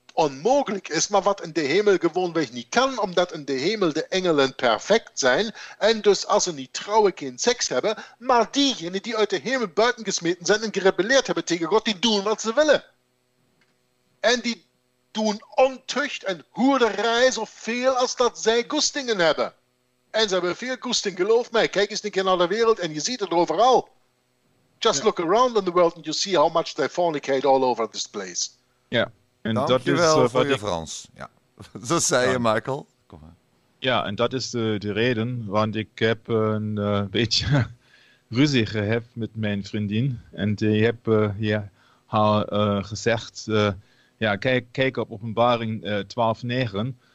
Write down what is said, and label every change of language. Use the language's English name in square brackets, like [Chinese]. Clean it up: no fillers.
[Dutch] onmogelijk is, maar wat in de hemel gewoonweg niet kan, omdat in de hemel de engelen perfect zijn en dus als ze niet trouwen geen seks hebben, maar diegenen die uit de hemel buiten gesmeten zijn en gerebelleerd hebben tegen God, die doen wat ze willen. En die doen ontucht en hoerderij zoveel als dat zij goestingen hebben. En ze hebben veel goesting, geloof mij. Kijk eens een keer naar de wereld en je ziet het overal. [English] Just look around in the world and you see how much they fornicate all over this place. [Dutch] Ja, en dat is voor de Frans. Ja, dat zei je, Michael. Kom maar. Ja, en dat is de reden, want ik heb een beetje ruzie gehad met mijn vriendin. En die heb haar gezegd, kijk op Openbaring 12:9.